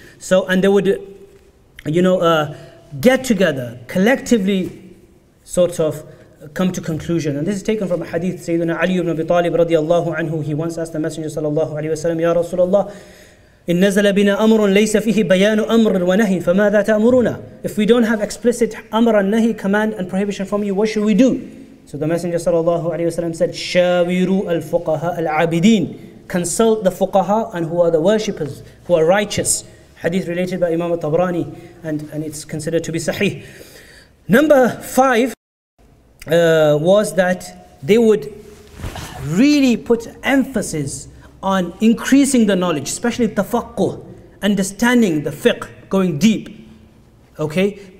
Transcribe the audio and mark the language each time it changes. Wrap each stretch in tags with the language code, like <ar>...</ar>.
<en>So, and they would, you know, get together, collectively sort of come to conclusion. And this is taken from a hadith, Sayyidina Ali ibn Abi Talib radiallahu anhu. He once asked the Messenger</en> <ar>sallallahu alayhi wa sallam, Ya Rasulullah, إن نزل بنا أمر ليس فيه بيان أمر ونهي فماذا تأمرنا?</ar> <en>If we don't have explicit</en> <ar>أمر النهي,</ar> <en>command and prohibition from you, what should we do? So the Messenger</en> <ar>صلى الله عليه وسلم</ar> <en>said,</en> <ar>شاوروا الفقهاء العابدين.</ar> <en>Consult the فقهاء and who are the worshippers, who are righteous. Hadith related by Imam al-Tabrani, and it's considered to be sahih. Number five was that they would really put emphasis on increasing the knowledge, especially tafaqquh, understanding the fiqh, going deep. Okay?</en>